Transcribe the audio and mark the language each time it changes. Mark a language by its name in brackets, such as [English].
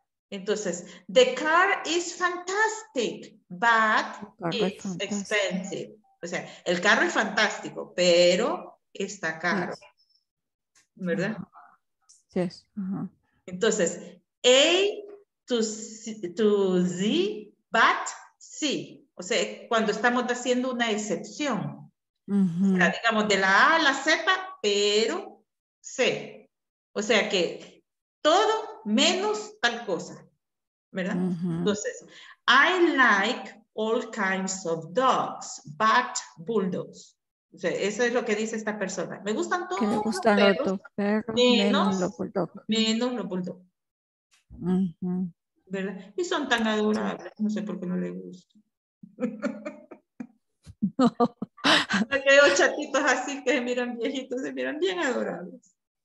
[English] Entonces, the car is fantastic, but it's expensive. [Spanish] O sea, el carro es fantástico, pero está caro. ¿Verdad? [English] Yes. Entonces, A to Z, but C. [Spanish] O sea, cuando estamos haciendo una excepción. O sea, digamos, de la A a la Z, pero C. O sea que todo menos tal cosa. ¿Verdad? [English] Entonces, I like all kinds of dogs, but bulldogs. [Spanish] O sea, eso es lo que dice esta persona. Me gustan todos los perros, menos los bulldogs. Uh-huh. ¿Verdad? Y son tan adorables. No sé por qué no les gusta. Porque hay chatitos así que se miran viejitos, se miran bien adorables.